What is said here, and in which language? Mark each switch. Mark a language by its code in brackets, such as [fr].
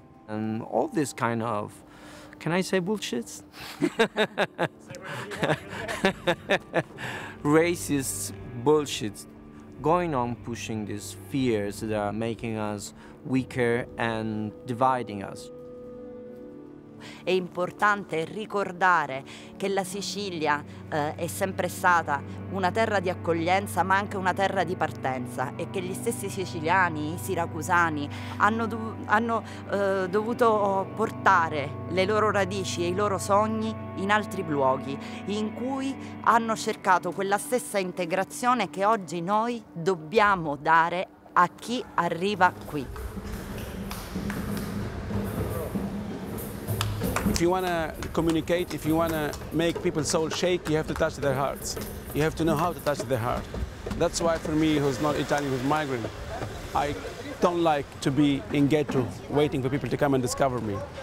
[en] And all this kind of, can I say bullshit? Racist bullshit going on, pushing these fears that are making us weaker and dividing us. [it] È importante ricordare che la Sicilia è sempre stata una terra di accoglienza, ma anche una terra di partenza, e che gli stessi siciliani, i siracusani, hanno dovuto portare le loro radici e i loro sogni in altri luoghi, in cui hanno cercato quella stessa integrazione che oggi noi dobbiamo dare a chi arriva qui. [en] If you want to communicate, if you want to make people's soul shake, you have to touch their hearts. You have to know how to touch their heart. That's why for me, who's not Italian, who's migrant, I don't like to be in ghetto waiting for people to come and discover me.